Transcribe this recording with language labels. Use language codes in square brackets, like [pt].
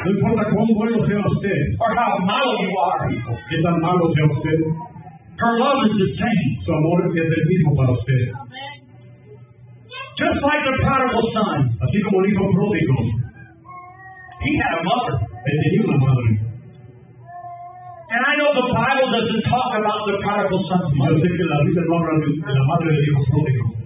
[es] no importa cuán bueno sea usted, [en] or how [es] malo [en] you are, [es] qué tan malo sea usted, [en] her love is the same. [es] Su amor es el mismo para usted. [en] Just like the prodigal son, [es] así como el hijo pródigo, [en] he had a mother. [es] Él tenía una madre. [en] And I know the Bible doesn't talk about the prodigal son's mother. [es] Yo sé que la Biblia no habla de la madre del hijo pródigo.